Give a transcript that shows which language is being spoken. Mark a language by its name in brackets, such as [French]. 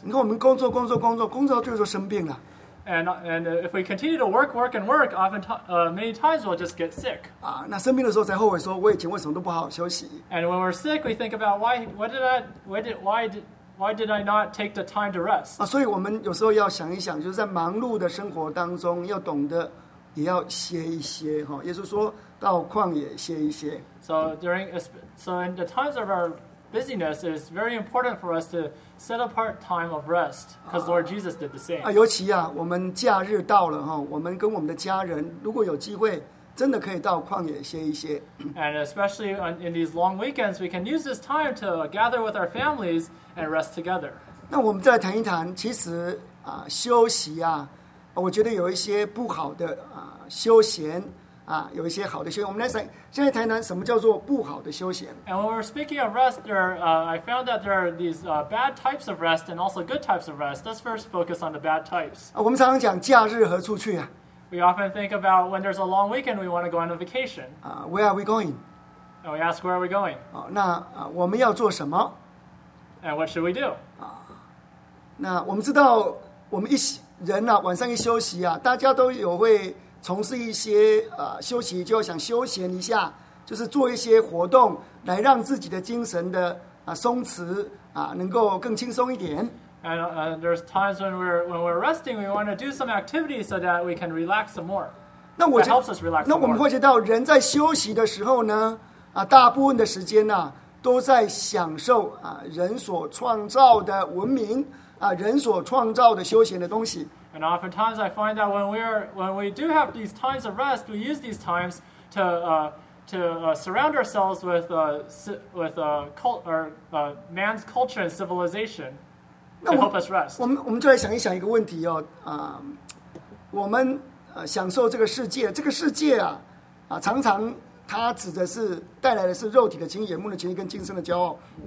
[Chinese] 你看我们工作到最后就生病了。 [English] And if we continue to work and work, many times we'll just get sick. [Chinese] 啊，那生病的时候才后悔说，我以前为什么都不好好休息。 [English] And when we're sick, we think about why did I not take the time to rest? [Chinese] 啊，所以我们有时候要想一想，就是在忙碌的生活当中，要懂得也要歇一歇哈。耶稣说到旷野歇一歇。 [English] So in the times of our busyness, it is very important for us to set apart time of rest, because Lord Jesus did the same. [Chinese] 啊，尤其啊，我们假日到了哈，我们跟我们的家人，如果有机会，真的可以到旷野歇一歇。 [English] And especially in these long weekends, we can use this time to gather with our families and rest together. [Chinese] 那我们再谈一谈，其实啊，休息啊，我觉得有一些不好的啊休闲。啊，有一些好的休闲，我们来谈。现在谈谈什么叫做不好的休闲。 [English] And when we're speaking of rest, I found that there are these bad types of rest and also good types of rest. Let's first focus on the bad types. [Chinese] 啊，我们常常讲假日何处去啊。 [English] We often think about when there's a long weekend, we want to go on a vacation. Where are we going? And we ask, where are we going? [Chinese] 哦，那我们要做什么 [English] ？And what should we do? [Chinese] 啊，那我们知道，我们一人呐、啊，晚上一休息啊，大家都有会。从事一些休息，就要想休闲一下，就是做一些活动，来让自己的精神的松弛能够更轻松一点。 [English] And there's times when we're resting, we want to do some activity so that we can relax some more. That helps us relax more. [Chinese] 那我们会知道人在休息的时候呢，大部分的时间呢，都在享受人所创造的文明，人所创造的休闲的东西。 [English] And oftentimes I find that when we do have these times of rest, we use these times to surround ourselves with man's culture and civilization to help us rest. [Chinese] 我们就来想一想一个问题哦，我们享受这个世界，这个世界常常它指的是带来的是肉体的情欲、眼目的情欲跟今生的骄傲。